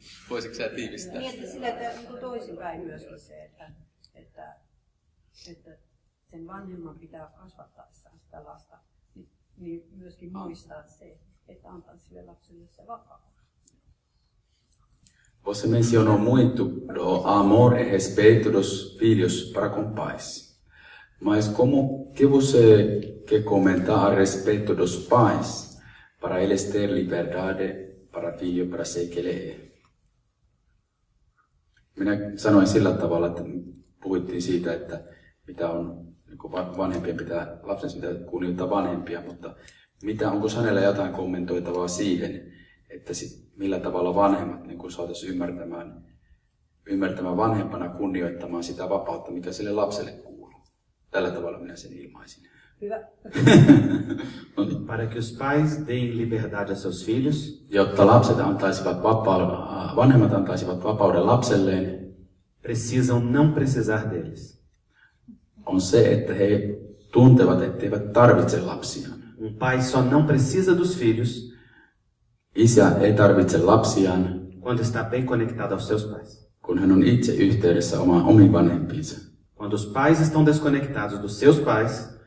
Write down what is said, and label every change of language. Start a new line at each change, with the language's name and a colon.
Finnish: Voisitko sä tiivistää? Mietin sillä, että toisinpäin myös se, että sen vanhemman pitää kasvattaa sitä lasta, niin myöskin muistaa se, että antaa sille lapselle se vapaa.
Portuguese: Você mencionou muito do amor e respeito dos filhos para com pais. Mas como que você quer comentar a respeito dos pais? Para eles ter liberdade para filho para se querer.
Finnish: Minä sanoin sillä tavalla, että puhuttiin siitä, että mitä on vanhempien pitää lapsensa pitää kunnioittaa vanhempia, mutta mitä onko hänellä jotain kommentoitavaa siihen, että millä tavalla vanhemmat niin kuin saataisiin ymmärtämään vanhempana kunnioittamaan sitä vapautta, mikä sille lapselle kuuluu. Tällä tavalla minä sen ilmaisin.
Portuguese: Para que os pais deem liberdade a seus filhos,
Finnish: jotta lapset antaisivat vanhemmat antaisivat vapauden lapselleen,
Portuguese: precisam não precisar deles.
Finnish: On se, että he tuntevat, etteivät tarvitse lapsia.
Portuguese: Um pai só não precisa dos filhos,
Finnish: isä ei tarvitse lapsiaan,
Portuguese: quando está bem conectado aos seus pais.
Finnish: Kun hän on itse yhteydessä omiin vanhempiinsa.
Portuguese: Quando os pais estão desconectados dos seus pais,